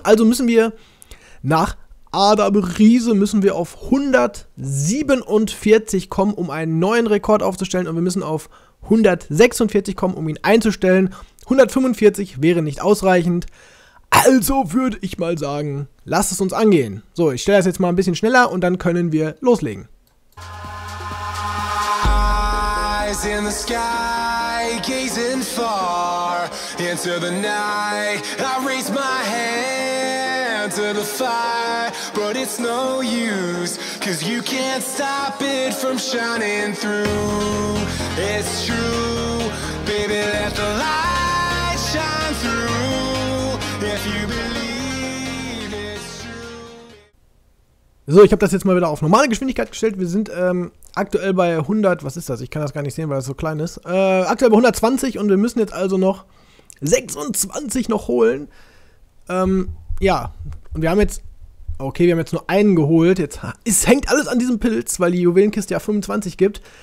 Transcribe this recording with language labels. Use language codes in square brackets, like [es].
[de] Also müssen wir nach Adam Riese müssen wir auf 147 kommen, um einen neuen Rekord aufzustellen. Und wir müssen auf 146 kommen, um ihn einzustellen. 145 wäre nicht ausreichend. Also würde ich mal sagen, lasst es uns angehen. So, ich stelle das jetzt mal ein bisschen schneller und dann können wir loslegen. [en] Eyes in the sky, gazing far into the night. I raise my hand to the fire, but it's no use, 'cause you can't stop it from shining through. It's true, baby, let the light shine through. If you believe it's true. [de] So, ich habe das jetzt mal wieder auf normale Geschwindigkeit gestellt. Wir sind aktuell bei 100, was ist das? Ich kann das gar nicht sehen, weil das so klein ist. Aktuell bei 120 und wir müssen jetzt also noch 26 noch holen. Und wir haben jetzt, okay, wir haben jetzt nur einen geholt. Jetzt, es hängt alles an diesem Pilz, weil die Juwelenkiste ja 25 gibt.